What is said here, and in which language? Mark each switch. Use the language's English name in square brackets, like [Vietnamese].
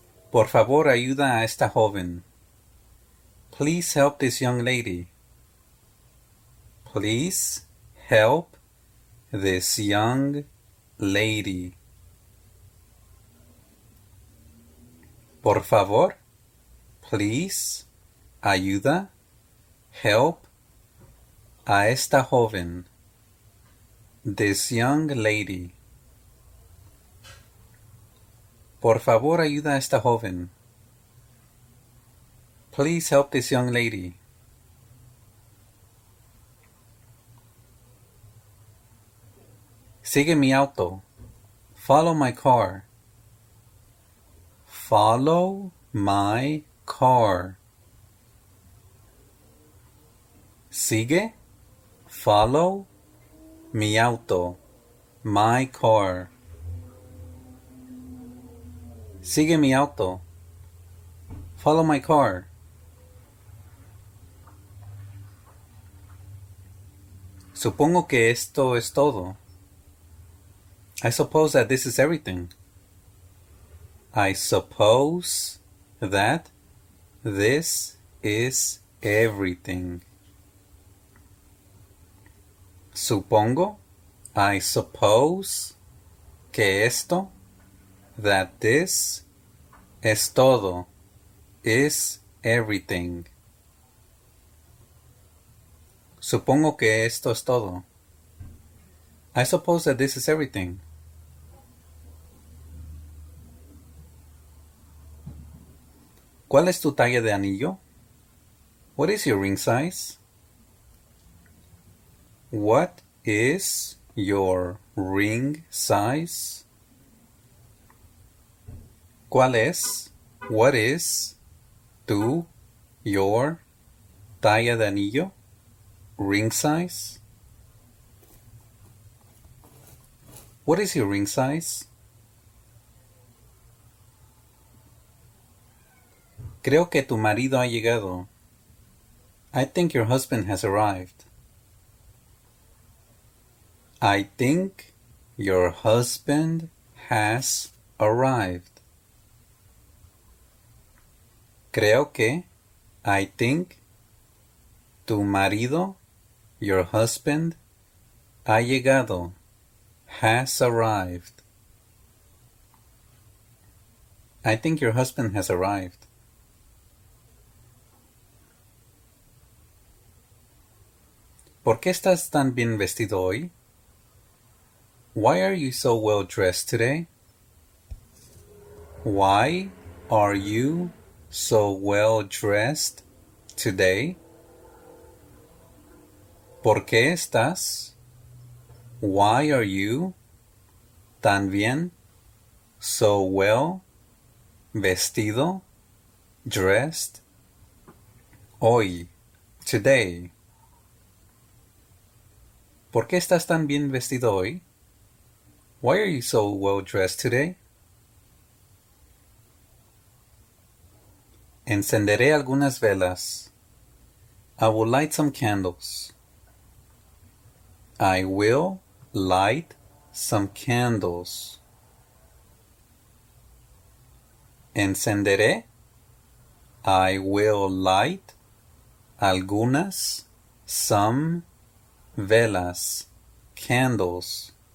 [Spanish] Por favor, ayuda a esta joven. [English] Please help this young lady. Please help this young lady. [Spanish] Por favor, [English] please, [Spanish] ayuda, [English] help [Spanish] a esta joven, [English] this young lady. [Spanish] Por favor, ayuda a esta joven. [English] Please help this young lady. [Spanish] Sigue mi auto. [English] Follow my car. Follow my car. [Spanish] Sigue. [English] Follow [Spanish] mi auto. [English] My car. [Spanish] Sigue mi auto. [English] Follow my car. [Spanish] Supongo que esto es todo. [English] I suppose that this is everything. I suppose that this is everything. [Spanish] Supongo, [English] I suppose [Spanish] que esto, [English] that this [Spanish] es todo, [English] is everything. [Spanish] Supongo que esto es todo. [English] I suppose that this is everything. [Spanish] ¿Cuál es tu talla de anillo? [English] What is your ring size? What is your ring size? [Spanish] ¿Cuál es? [English] What is [Spanish] tu, [English] your, [Spanish] talla de anillo? [English] Ring size? What is your ring size? [Spanish] Creo que tu marido ha llegado. [English] I think your husband has arrived. I think your husband has arrived. [Spanish] Creo que, [English] I think, [Spanish] tu marido, [English] your husband, [Spanish] ha llegado, [English] has arrived. I think your husband has arrived. [Spanish] ¿Por qué estás tan bien vestido hoy? [English] Why are you so well dressed today? Why are you so well dressed today? [Spanish] ¿Por qué estás? [English] Why are you [Spanish] tan bien, [English] so well [Spanish] vestido, [English] dressed [Spanish] hoy, [English] today? [Spanish] ¿Por qué estás tan bien vestido hoy? [English] Why are you so well dressed today? [Spanish] Encenderé algunas velas. [English] I will light some candles. I will light some candles. [Spanish] Encenderé. [English] I will light [Spanish] algunas, [English] some, [Spanish] velas, [English] candles.